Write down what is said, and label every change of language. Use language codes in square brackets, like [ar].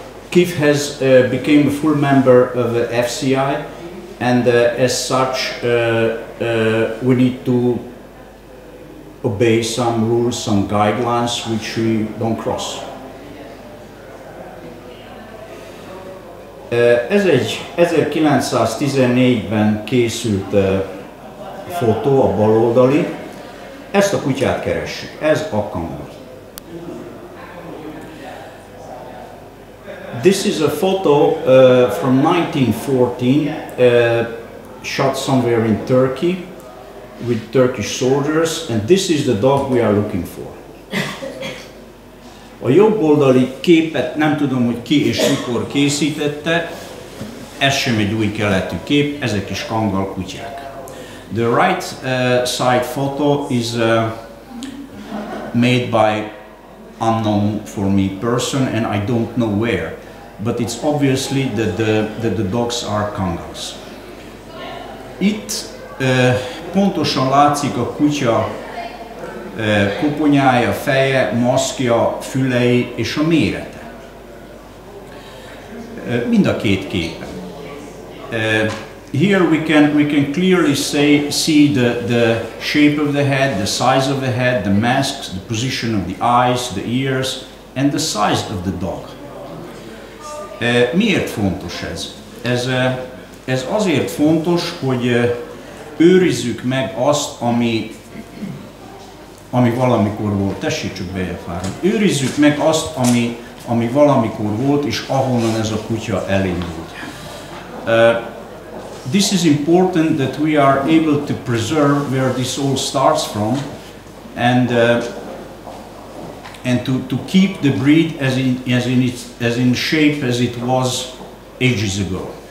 [en] KIF has became a full member of the FCI, and as such, we need to obey some rules, some guidelines, which we don't cross. [hu] Ez egy 1914-ben készült fotó, a baloldali. Ezt a kutyát keressük, ez a Kanga. [en] This is a photo from 1914, shot somewhere in Turkey, with Turkish soldiers, and this is the dog we are looking for. [hu] A jobboldali képet nem tudom, hogy ki és mikor készítette. ez sem egy új keletű kép, ezek is kangal kutyák. [en] The right side photo is made by unknown for me person and I don't know where, but it's obviously that the dogs are kangals. [hu] Itt pontosan látszik a kutya koponyája, feje, maszkja, fülei és a mérete. Mind a két képen. [en] Here we can clearly see the shape of the head, the size of the head, the masks, the position of the eyes, the ears, and the size of the dog. [hu] Miért fontos ez? Ez azért fontos, hogy őrizzük meg azt, ami valamikor volt. Tessítsük be, Jafára. Őrizzük meg azt, ami valamikor volt, és ahonnan ez a kutya elindult. [en] This is important that we are able to preserve where this all starts from and to keep the breed as in shape as it was ages ago.